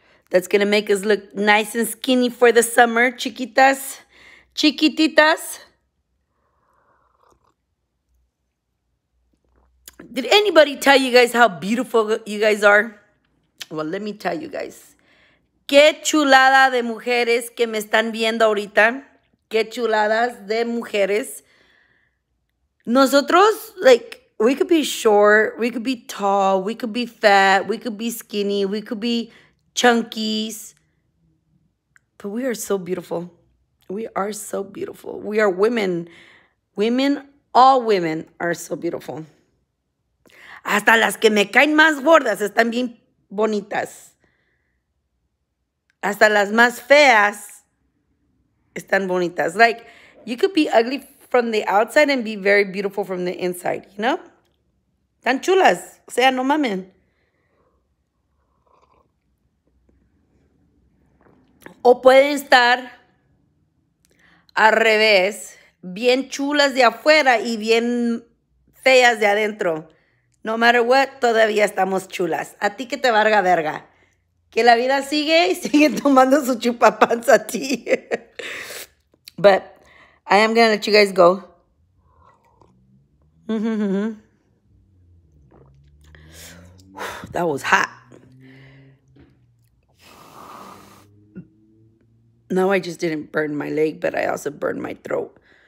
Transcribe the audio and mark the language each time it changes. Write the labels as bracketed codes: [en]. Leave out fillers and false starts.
[en] That's going to make us look nice and skinny for the summer. Chiquitas. [es] Chiquititas. [en] Did anybody tell you guys how beautiful you guys are? Well, let me tell you guys. [es] Qué chulada de mujeres que me están viendo ahorita. Qué chuladas de mujeres. [en] Nosotros, like, we could be short, we could be tall, we could be fat, we could be skinny, we could be chunkies. But we are so beautiful. We are so beautiful. We are women. Women, all women are so beautiful. [es] Hasta las que me caen más gordas están bien bonitas. Hasta las más feas están bonitas. [en] Like, you could be ugly from the outside and be very beautiful from the inside, you know? [es] Tan chulas. O sea, no mamen. O pueden estar al revés. Bien chulas de afuera y bien feas de adentro. [en] No matter what, [es] todavía estamos chulas. A ti que te valga verga. Que la vida sigue y sigue tomando su chupapanza a ti. [en] But I am gonna let you guys go. That was hot. No, I just didn't burn my leg, but I also burned my throat.